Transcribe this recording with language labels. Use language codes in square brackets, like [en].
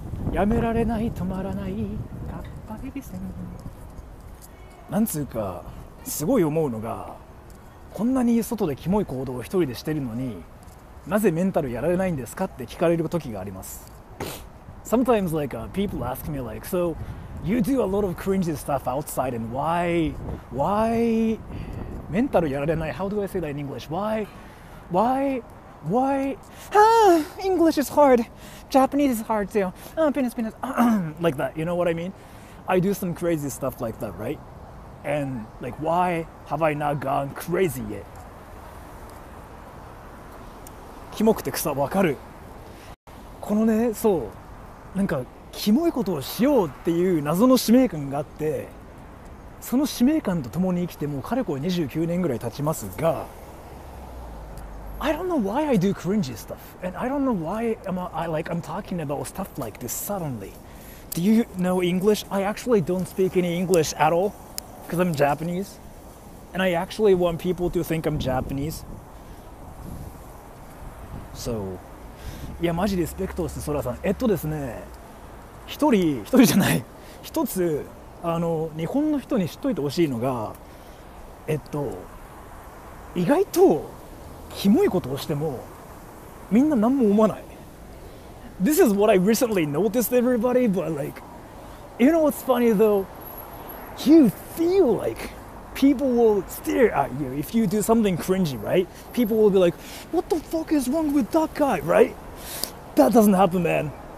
[ja] やめられない、止まらない、カッパエビセン。なんつうか、すごい思うのが、こんなに外でキモい行動を一人でしてるのに、なぜメンタルやられないんですかって聞かれる時があります。 [en] Sometimes like, people ask me like, so you do a lot of cringy stuff outside and why [ja] メンタルやられない、 [en] how do I say that in English? Why English is hard, Japanese is hard too, penis like that, you know what I mean? I do some crazy stuff like that, right? And like, why have I not gone crazy yet? [ja] キモくて草わかる。このね、そう、なんかキモいことをしようっていう謎の使命感があって、その使命感と共に生きてもうかれこれ29年ぐらい経ちますが、 [en] I don't know why I do cringy stuff and I don't know why I'm talking about stuff like this suddenly. Do you know English? I actually don't speak any English at all because I'm Japanese and I actually want people to think I'm Japanese. So, [ja] いやマジリスペクトですソラさん。ですね、一人じゃない、一つ日本の人に知っといてほしいのが、意外とキモいことをしてもみんな何も思わない。 [en] This is what I recently noticed everybody, but like, you know what's funny though? You feel likePeople will stare at you if you do something cringy, right? People will be like, what the fuck is wrong with that guy, right? That doesn't happen, man.